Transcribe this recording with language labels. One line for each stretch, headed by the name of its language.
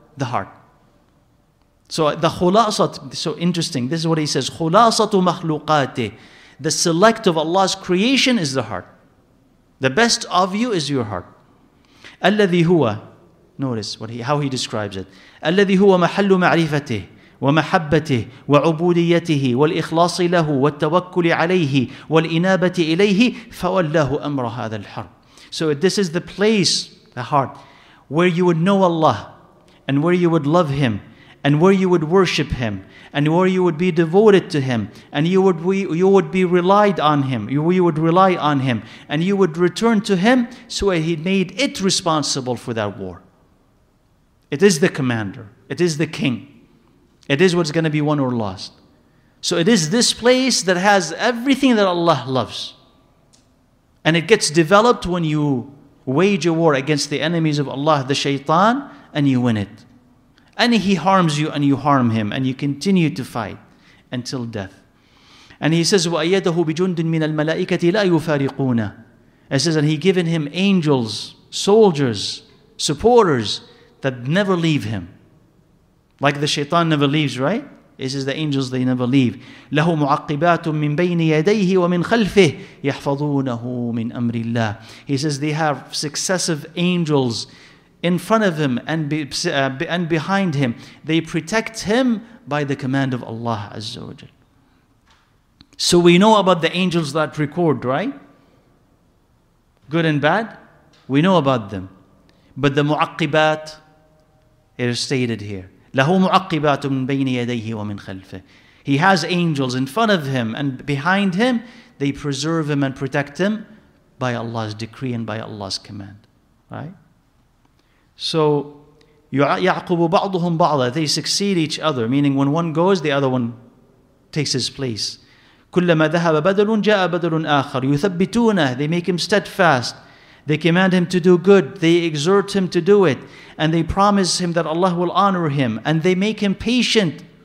English: The heart. So the khulasat, so interesting. This is what he says.
Arabic: Khulasatu makhluqati.
English: The select of Allah's creation is the heart. The best of you is your heart.
Arabic: Alladhi huwa.
English: Notice how he describes it.
Arabic: Alladhi huwa mahallu ma'rifatih. ومحبته وعبوديته والإخلاص له والتوكل عليه والإنابة إليه فوله أمر هذا الحرب.
English: So this is the place, the heart, where you would know Allah and where you would love Him and where you would worship Him, and where you would be devoted to Him, and you would rely on Him, and you would return to Him, so He made it responsible for that war. It is the commander. It is the king. It is what's going to be won or lost. So it is this place that has everything that Allah loves. And it gets developed when you wage a war against the enemies of Allah, the shaitan, and you win it. And he harms you and you harm him, and you continue to fight until death. And he says,
Arabic: وَأَيَّدَهُ بِجُنْدٍ مِنَ الْمَلَائِكَةِ لَا يُفَارِقُونَ.
English: It says, and he given him angels, soldiers, supporters, that never leave him. Like the shaitan never leaves, right? He says the angels, they never leave.
Arabic: لَهُ مُعَقِّبَاتٌ مِّن بَيْنِ يَدَيْهِ وَمِنْ خَلْفِهِ يَحْفَظُونَهُ مِنْ أَمْرِ اللَّهِ.
English: He says they have successive angels in front of him and behind him. They protect him by the command of Allah Azza wa Jal. So we know about the angels that record, right? Good and bad, we know about them. But the مُعَقِّبَات, it is stated here.
Arabic: لَهُ مُعَقِّبَاتٌ مِّن بَيْنِ يَدَيْهِ وَمِنْ خَلْفِهِ.
English: He has angels in front of him and behind him. They preserve him and protect him by Allah's decree and by Allah's command. Right? So,
Arabic: يَعْقُبُ بَعْضُهُمْ بَعْضًا.
English: They succeed each other. Meaning when one goes, the other one takes his place.
Arabic: كُلَّمَا ذَهَبَ بَدَلٌ جَاءَ بَدَلٌ آخَرٌ يُثَبِّتُونَهُ.
English: They make him steadfast. They command him to do good. They exhort him to do it. And they promise him that Allah will honor him. And they make him patient.